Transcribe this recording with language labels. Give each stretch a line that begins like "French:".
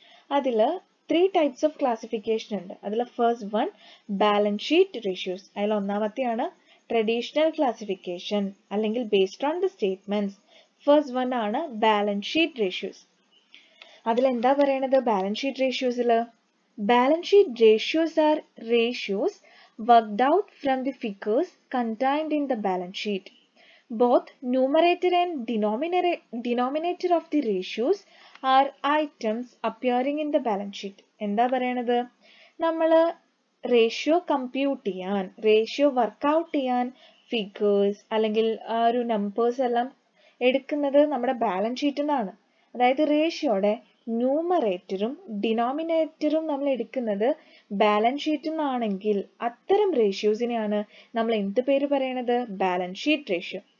Malayalam: അതിൽ three types of classification ഉണ്ട്. അതിൽ first one balance sheet ratios, അതിൽ ഒന്നാമത്തെയാണ് ട്രഡീഷണൽ ക്ലാസിഫിക്കേഷൻ അല്ലെങ്കിൽ based on the statements. First one ആണ് ബാലൻസ് ഷീറ്റ് റേഷ്യോസ്. അതിൽ എന്താ പറയണത് balance sheet റേഷ്യോസിൽ?
English: Balance sheet ratios are ratios worked out from the figures contained in the balance sheet. Both numerator and denominator of the ratios are items appearing in the balance sheet.
Malayalam: എന്താ പറയണത്? നമ്മൾ ratio compute ചെയ്യാൻ, ratio workout ചെയ്യാൻ figures അല്ലെങ്കിൽ ആ ഒരു numbers എല്ലാം എടുക്കുന്നത് നമ്മുടെ ബാലൻസ് ഷീറ്റിൽ നിന്നാണ്. അതായത് റേഷ്യോയുടെ ന്യൂമറേറ്ററും ഡിനോമിനേറ്ററും നമ്മൾ എടുക്കുന്നത് ബാലൻസ് ഷീറ്റിൽ നിന്നാണെങ്കിൽ അത്തരം റേഷ്യോസിനെയാണ് നമ്മൾ എന്ത് പേര് പറയണത്? Balance sheet ratio.